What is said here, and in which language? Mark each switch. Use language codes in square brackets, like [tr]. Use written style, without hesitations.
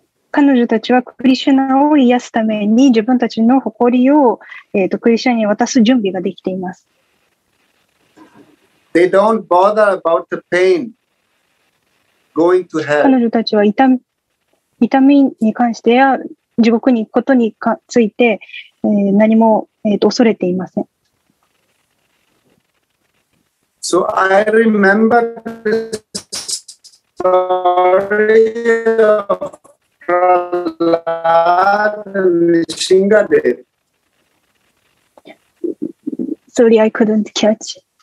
[ja] 彼女たちはクリシュナを癒すために自分たちの誇りを、クリシュナに渡す準備ができています。 [en] They don't bother about the pain going to hell. [ja] 彼女たちは痛みに関してや地獄に行くことについて、何も、恐れていません。 [en] So I remember this. Sorry, I couldn't catch.